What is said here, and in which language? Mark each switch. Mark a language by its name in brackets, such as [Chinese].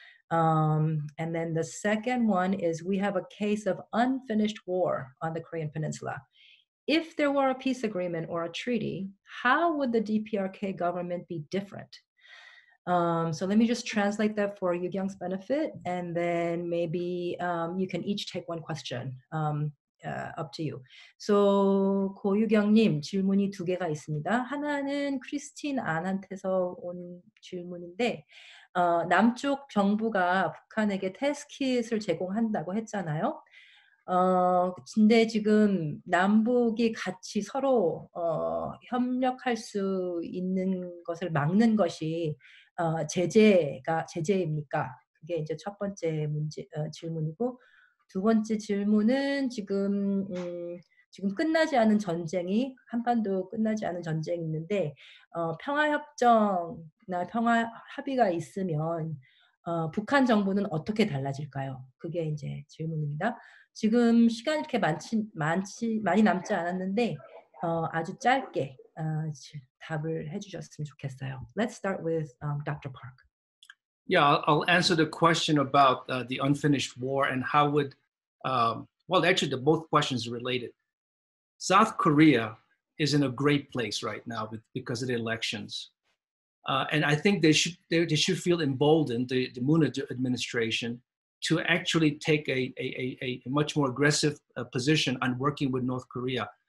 [English] And then the second one is, we have a case of unfinished war on the Korean Peninsula. If there were a peace agreement or a treaty, how would the DPRK government be different? So let me just translate that for Yoo Kyung's benefit, and then maybe you can each take one question, up to you. [Korean] So 고유경님, 질문이 두 개가 있습니다. 하나는 크리스틴 안한테서 온 질문인데, 남쪽 정부가 북한에게 테스트킷을 제공한다고 했잖아요. 근데 지금 남북이 같이 서로 협력할 수 있는 것을 막는 것이 제재입니까? 그게 이제 첫 번째 문제 질문이고, 두 번째 질문은 지금 지금 끝나지 않은 전쟁이, 한반도 끝나지 않은 전쟁이 있는데, 평화협정이나 평화합의가 있으면 북한 정부는 어떻게 달라질까요? 그게 이제 질문입니다. 지금 시간이 이렇게 많이 남지 않았는데, 아주 짧게 답을 해주셨으면 좋겠어요. [English] Let's start with Dr. Park. Yeah, I'll answer the question about the unfinished war and how would, well, actually, both questions are related. South Korea is in a great place right now because of the elections. And I think they should feel emboldened, the Moon administration, to actually take a much more aggressive position on working with North Korea.